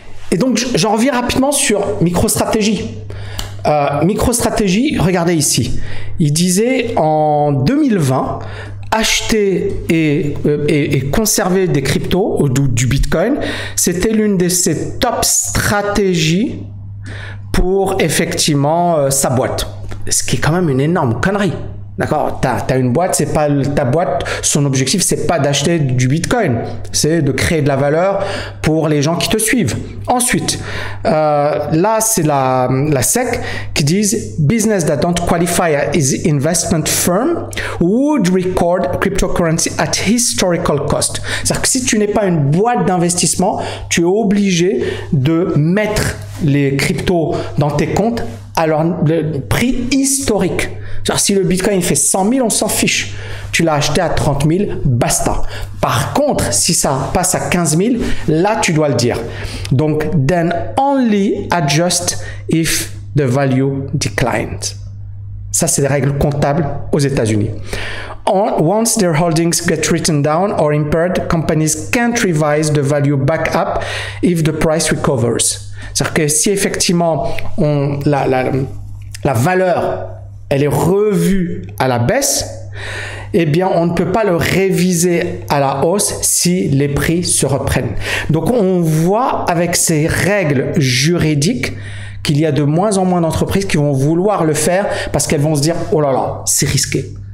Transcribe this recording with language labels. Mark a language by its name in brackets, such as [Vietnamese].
[French] Et donc, j'en reviens rapidement sur MicroStrategy. MicroStrategy, regardez ici, il disait en 2020, acheter et conserver des cryptos ou du Bitcoin, c'était l'une de ses top stratégies pour effectivement sa boîte. Ce qui est quand même une énorme connerie. D'accord, t'as une boîte, c'est pas ta boîte, son objectif c'est pas d'acheter du Bitcoin, c'est de créer de la valeur pour les gens qui te suivent. Ensuite, là c'est la SEC qui disent [English] business that don't qualify as investment firm would record cryptocurrency at historical cost. [French] C'est-à-dire que si tu n'es pas une boîte d'investissement, tu es obligé de mettre les cryptos dans tes comptes à leur prix historique. Genre si le Bitcoin fait 100 000, on s'en fiche. Tu l'as acheté à 30 000, basta. Par contre, si ça passe à 15 000, là, tu dois le dire. [English] Donc, then only adjust if the value declines. [French] Ça, c'est des règles comptables aux États-Unis. [English] Once their holdings get written down or impaired, companies can't revise the value back up if the price recovers. [French] C'est-à-dire que si effectivement on, la valeur elle est revue à la baisse, eh bien, on ne peut pas le réviser à la hausse si les prix se reprennent. Donc, on voit avec ces règles juridiques qu'il y a de moins en moins d'entreprises qui vont vouloir le faire parce qu'elles vont se dire « Oh là là, c'est risqué.